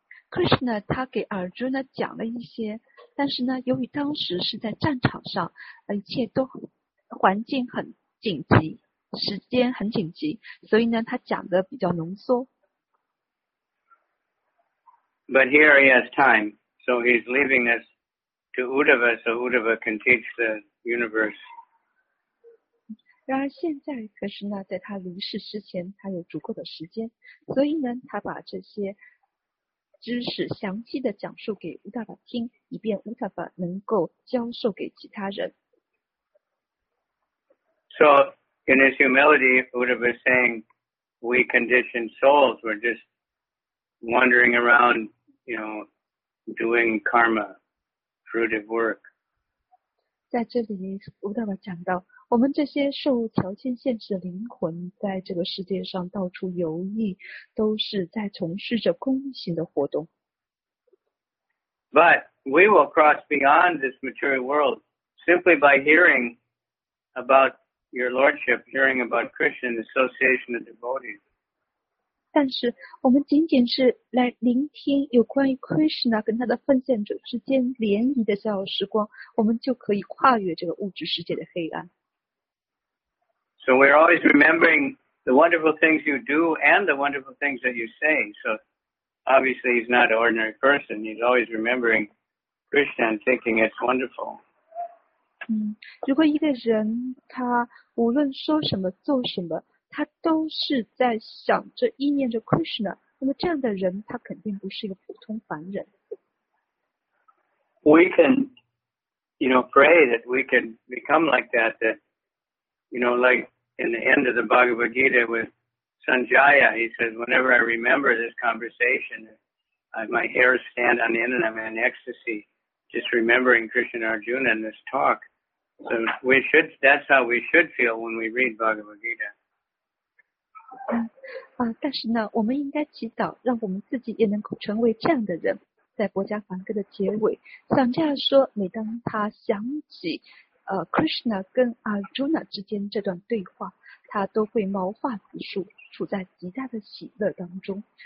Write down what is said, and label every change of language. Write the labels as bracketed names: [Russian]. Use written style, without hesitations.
[Chinese] Krishna 他给 Arjuna 讲了一些，但是呢，由于当时是在战场上，一切都环境很紧急，时间很紧急，所以呢，他讲的比较浓缩。 [English] But here he has time, so he's leaving us to Uddhava, so Uddhava can teach the universe. [Chinese] 然而现在，可是呢，在他离世之前，他有足够的时间，所以呢，他把这些知识详细的讲述给乌塔法听，以便乌塔法能够教授给其他人。 [English] So in his humility, Uddhava is saying, "We conditioned souls were just wandering around, you know, doing karma, fruitive work." [Chinese] 在这里，乌塔法讲到，我们这些受条件限制的灵魂在这个世界上到处游弋，都是在从事着功行的活动。 [English] But we will cross beyond this material world simply by hearing about your lordship, hearing about Krishna and association of devotees. [Chinese] 但是我们仅仅是来聆听有关于 Krishna 跟他的奉献者之间联谊的逍遥时光，我们就可以跨越这个物质世界的黑暗。 [English] So we're always remembering the wonderful things you do and the wonderful things that you say. So obviously he's not an ordinary person. He's always remembering Krishna and thinking it's wonderful. [Chinese] 如果一个人他无论说什么做什么，他都是在想着意念着 Krishna， 那么这样的人他肯定不是一个普通凡人。 [English] We can, you know, pray that we can become like that, that, you know, like,in the end of the Bhagavad Gita with Sanjaya, he says, whenever I remember this conversation, my hairs stand on end and I'm in ecstasy, just remembering Krishna and Arjuna in this talk. So we should, that's how we should feel when we read Bhagavad Gita. [Chinese] 但是呢，我们应该祈祷让我们自己也能够成为这样的人。在博迦梵歌的结尾，想这样说，每当他想起Krishna 跟 Arjuna 之间这段对话，他都会毛发直竖，处在极大的喜乐当中。